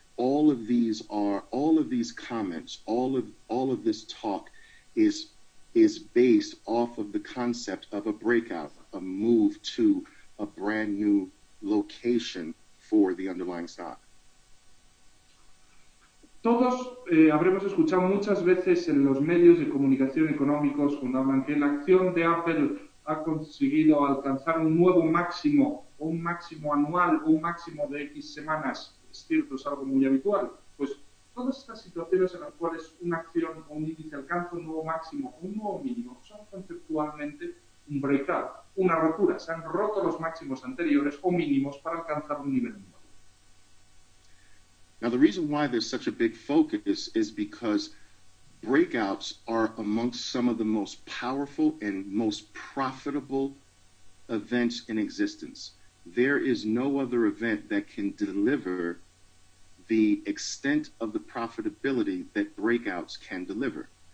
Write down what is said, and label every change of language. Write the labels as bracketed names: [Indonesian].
[English] All of this talk is based off of the concept of a breakout, a move to a brand new location for the underlying stock. [Spanish] Todos habremos escuchado muchas veces en los medios de comunicación económicos cuando hablan que la acción de Apple ha conseguido alcanzar un nuevo máximo, un máximo anual, un máximo de X semanas. Es cierto, es algo muy habitual. Pues todas estas situaciones en las cuales una acción o un índice alcanza un nuevo máximo o un nuevo mínimo son conceptualmente un breakout, una rotura. Se han roto los máximos anteriores o mínimos para alcanzar un nivel nuevo. [English] Now, the reason why there's such a big focus is because breakouts are amongst some of the most powerful and most profitable events in existence. There is no other event that can deliver the extent of the profitability that breakouts can deliver.